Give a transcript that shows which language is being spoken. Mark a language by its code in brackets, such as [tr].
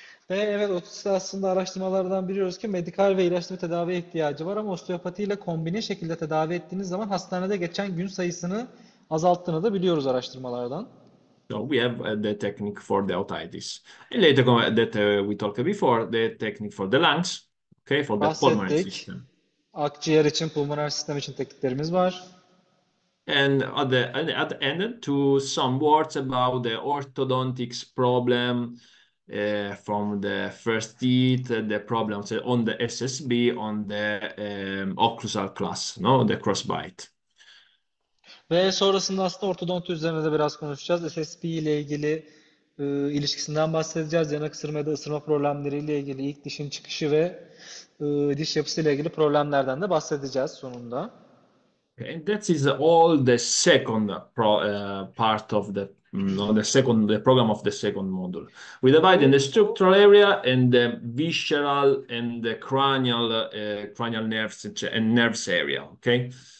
[tr] Ve evet, otitis aslında araştırmalardan biliyoruz ki medikal ve ilaçlı bir tedavi ihtiyacı var ama osteopati ile kombine şekilde tedavi ettiğiniz zaman hastanede geçen gün sayısını azalttığını da biliyoruz araştırmalardan. [en] So we have the technique for the otitis. And later on that we talked before, the technique for the lungs, okay, for the pulmonary [tr] bahsettik. [en] System. [tr] Akciğer için, pulmoner sistem için tekniklerimiz var. [en] And at the end, to some words about the orthodontics problem from the first teeth, the problems on the SSB, on the occlusal class, no, the crossbite. [tr] Ve sonrasında aslında ortodonti üzerine de biraz konuşacağız. SSP ile ilgili ilişkisinden bahsedeceğiz. Yanak ısırma ya da ısırma problemleri ile ilgili ilk dişin çıkışı ve diş yapısı ile ilgili problemlerden de bahsedeceğiz sonunda. [en] And that is all the second part of the the program of the second module. We divide in the structural area and the visceral and the cranial nerves and nerves area, okay?